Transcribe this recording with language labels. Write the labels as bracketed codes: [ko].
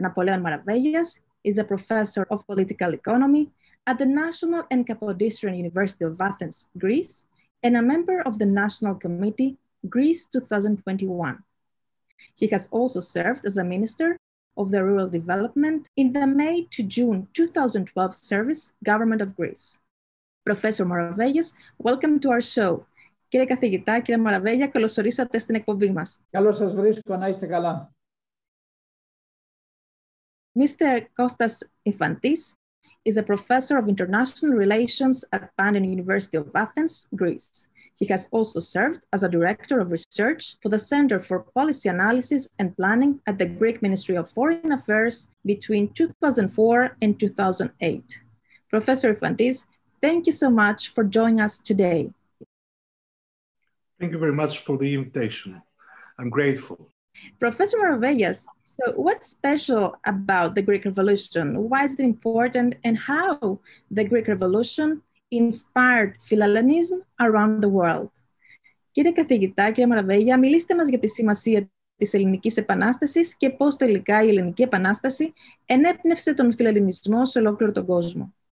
[en] Napoleon Maravegias is a professor of political economy at the National and Kapodistrian University of Athens, Greece, and a member of the National Committee Greece 2021. He has also served as a Minister of the Rural Development in the May to June 2012 service Government of Greece. Professor Maravegias, welcome to our show. [el] Κύριε καθηγητά, κύριε Μαραβέγια, καλωσορίσατε στην εκπομπή μας. Καλώς σας βρίσκω, να είστε καλά. [en] Mr. Kostas Ifantis is a professor of international relations at Panteion University of Athens, Greece. He has also served as a director of research for the Center for Policy Analysis and Planning at the Greek Ministry of Foreign Affairs between 2004 and 2008. Professor Ifantis, thank you so much for joining us today. Thank you very much for the invitation. I'm grateful. Professor Maravegias, so what's special about the Greek Revolution? Why is it important and how the Greek Revolution inspired Philhellenism around the world? [el] Κύριε καθηγητά, κύριε Μαραβέγια, μιλήστε μας για τη σημασία της Ελληνικής Επανάστασης και πώς τελικά η Ελληνική Επανάσταση ενέπνευσε τον Φιλελληνισμό σε ολόκληρο τον κόσμο.